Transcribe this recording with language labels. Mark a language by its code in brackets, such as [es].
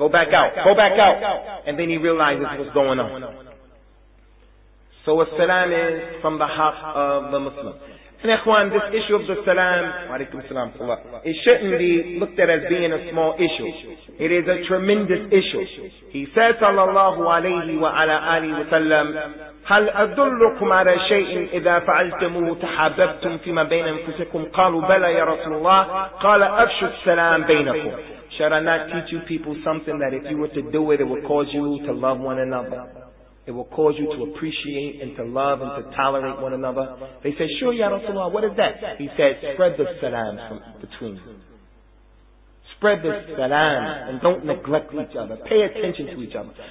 [en] Go back out. And then he realizes what's going on. So a salam is from the heart of the Muslim. And ikhwan, this issue of the salam, walaikum salam, it shouldn't be looked at as being a small issue. It is a tremendous issue. He says, [ar] sallallahu alayhi wa ala alihi wa sallam, هَلْ أَذُلُّكُمْ عَلَى شَيْءٍ إِذَا فَعَلْتَمُوهُ تَحَبَّبْتُمْ فِيمَا بَيْنَ أَنفُسِكُمْ قَالُوا بَلَى يَا رَسُولَ اللَّهِ قَالَ أَفْشُ السَّلَامَ بَيْنَكُمْ. [en] Should I not teach you people something that if you were to do it, it would cause you to love one another? It will cause you to appreciate and to love and to tolerate one another. They said, sure, Ya Rasulullah, what is that? He said, spread the salam from between you. Spread the salam and don't neglect each other. Pay attention to each other.